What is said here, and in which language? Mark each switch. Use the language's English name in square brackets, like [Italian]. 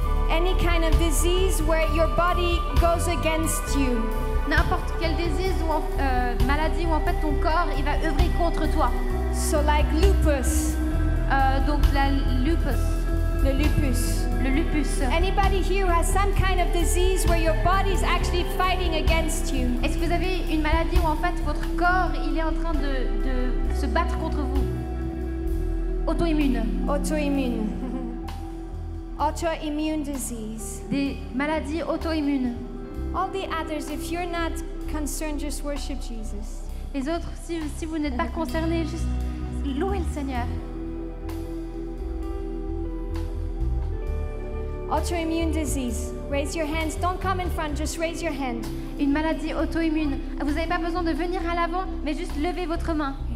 [English] Any kind of disease where your body goes against you. [French] N'importe quelle disease ou maladie où en fait ton corps il va œuvrer contre toi. [English] So like lupus. [French] Donc la lupus. [English] The lupus. [French] Le lupus. [English] Anybody here who has some kind of disease where your body is actually fighting against you? [French] Est-ce que vous avez une maladie où en fait votre corps il est en train de se battre contre vous? [English] Auto-immune. Auto-immune. Auto-immune disease. [French] Des maladies auto-immunes. [English] All the others, if you're not concerned, just worship Jesus. [French] Les autres, si vous n'êtes pas concernés, juste louez le Seigneur. [English] Autoimmune disease. Raise your hands. Don't come in front. Just raise your hand. [French] Une maladie auto-immune. Vous n'avez pas besoin de venir à l'avant, mais juste levez votre main.